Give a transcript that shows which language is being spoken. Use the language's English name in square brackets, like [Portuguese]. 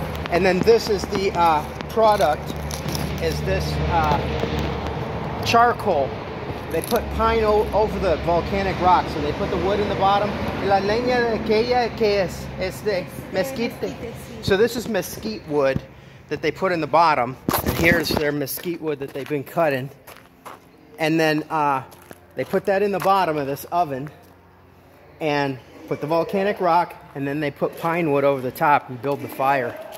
[English] And then this is the product, is this charcoal. They put pine over the volcanic rock, so they put the wood in the bottom. [Spanish] La leña de aquella que es, este mezquite. [English] So this is mesquite wood that they put in the bottom, and here's their mesquite wood that they've been cutting. And then they put that in the bottom of this oven and put the volcanic rock, and then they put pine wood over the top and build the fire.